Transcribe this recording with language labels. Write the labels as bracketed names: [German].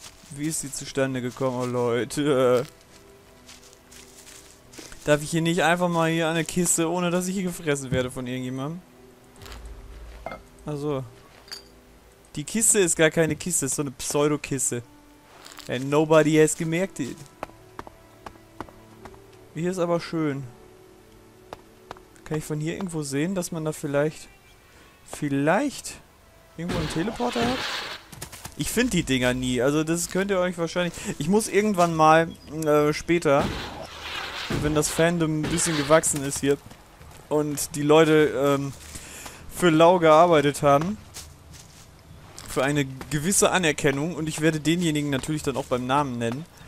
[German] Wie ist die zustande gekommen, oh, Leute? Darf ich hier nicht einfach mal hier an der Kiste, ohne dass ich hier gefressen werde von irgendjemandem? Also, die Kiste ist gar keine Kiste, ist so eine Pseudokiste. [English] And nobody has [German] gemerkt [English] it. [German] Hier ist aber schön. Kann ich von hier irgendwo sehen, dass man da vielleicht irgendwo einen Teleporter hat? Ich finde die Dinger nie. Also das könnt ihr euch wahrscheinlich... Ich muss irgendwann mal später, wenn das Fandom ein bisschen gewachsen ist hier und die Leute für lau gearbeitet haben, für eine gewisse Anerkennung, und ich werde denjenigen natürlich dann auch beim Namen nennen.